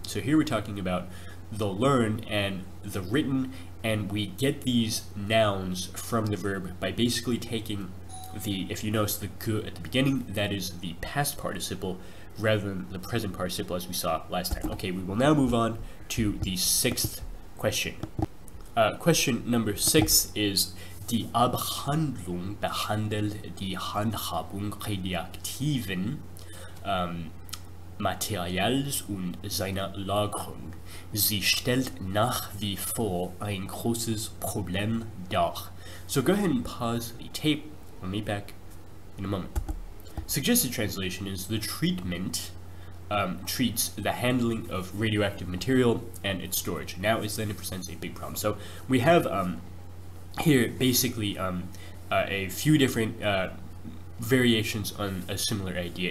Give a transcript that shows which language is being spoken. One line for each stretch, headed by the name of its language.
English: So here we're talking about the learned and the written, and we get these nouns from the verb by basically taking the, if you notice the ge at the beginning, that is the past participle rather than the present participle as we saw last time. Okay, we will now move on to the sixth question. Question number six is,
German: die Abhandlung behandelt die Handhabung radioaktiven Materials und seiner Lagerung. Sie stellt nach wie vor ein großes Problem dar.
English: So go ahead and pause the tape. I'll meet back in a moment. Suggested translation is the treatment treats the handling of radioactive material and its storage. Now is then it presents a big problem. So we have here basically a few different variations on a similar idea.